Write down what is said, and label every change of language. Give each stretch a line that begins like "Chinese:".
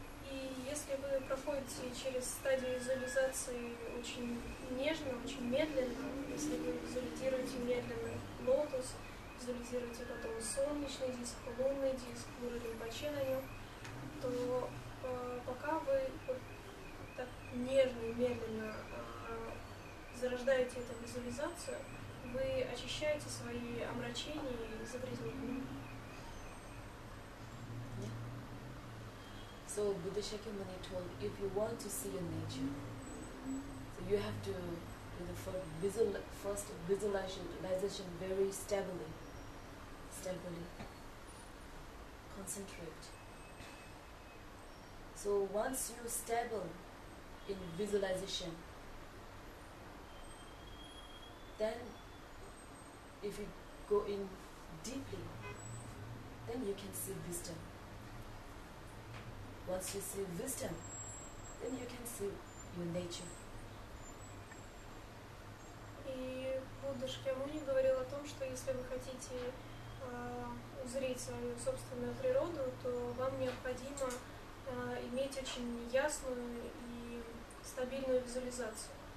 Russian: И если вы проходите через стадию визуализации очень нежно, очень медленно, если вы визуализируете медленно лотос, визуализируете потом солнечный диск, лунный диск, Гуру Ринпоче на нем, то пока вы вот так нежно и медленно зарождаете эту визуализацию, вы очищаете свои омрачения и загрязнения.
English: So Buddha Shakyamuni told, if you want to see your nature, so you have to do the first visualization very stably, concentrate. So once you stable in visualization, then if you go in deeply, then you can see wisdom. Once you see wisdom, then you can see your nature.
Russian: И Будда Шакьямуни говорил о том, что если вы хотите узреть свою собственную природу, то вам необходимо иметь очень ясную и стабильную визуализацию.